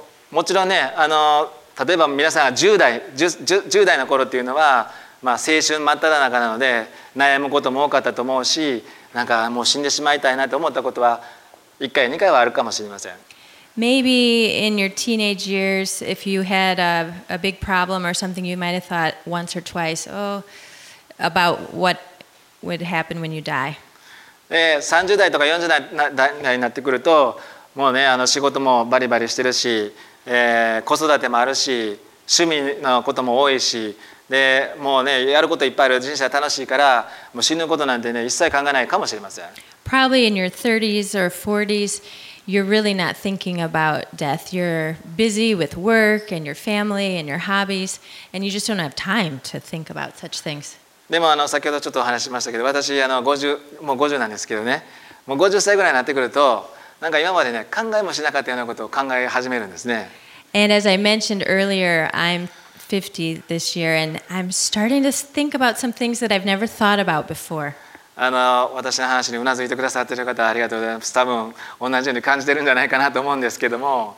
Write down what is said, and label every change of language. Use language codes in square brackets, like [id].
[ja] もちろんね、例えば皆さんが10代の頃っていうのは、まあ、青春真っ只中なので悩むことも多かったと思うし、なんかもう死んでしまいたいなと思ったことは1回2回はあるかもしれません。 [en] Maybe in your teenage years, if you had a big problem or something, you might have thought once or twice, oh, about what would happen when you die. [ja] 30代とか40代になってくると、もうね、仕事もバリバリしてるし、子育てもあるし、趣味のことも多いし、で、もうね、やることいっぱいある、人生楽しいから、もう死ぬことなんてね、一切考えないかもしれません。 [en] Probably in your 30s or 40s,You're really not thinking about death. You're busy with work and your family and your hobbies, and you just don't have time to think about such things. [ja] でも先ほどちょっとお話しましたけど、私50なんですけどね、もう50歳ぐらいになってくると、なんか今までね考えもしなかったようなことを考え始めるんですね。 [en] And as I mentioned earlier, I'm 50 this year, and I'm starting to think about some things that I've never thought about before. [ja] 私の話にうなずいてくださっている方ありがとうございます。多分同じように感じているんじゃないかなと思うんですけども、